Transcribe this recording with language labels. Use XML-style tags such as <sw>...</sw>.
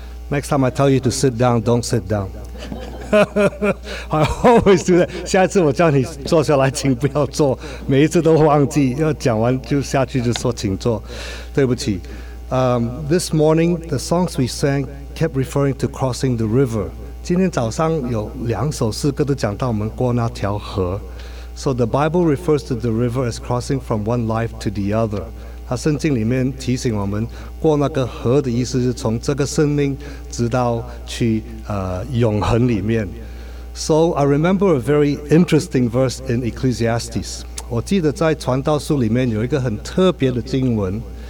<en>Next time I tell you to sit down, don't sit down. I always do that.</en> <zh>下次我叫你坐下来，请不要坐。每一次都忘记，要讲完就下去就说请坐。对不起。</zh> <en>This morning, the songs we sang kept referring to crossing the river.</en> <zh>今天早上有两首诗歌都讲到我们过那条河。</zh> <en>So the Bible refers to the river as crossing from one life to the other.</en> <zh>它圣经里面提醒我们过那个河的意思是从这个生命直到去永恒里面。</zh> <en>So I remember a very interesting verse in Ecclesiastes.</en> <zh>我记得在传道书里面有一个很特别的经文。</zh>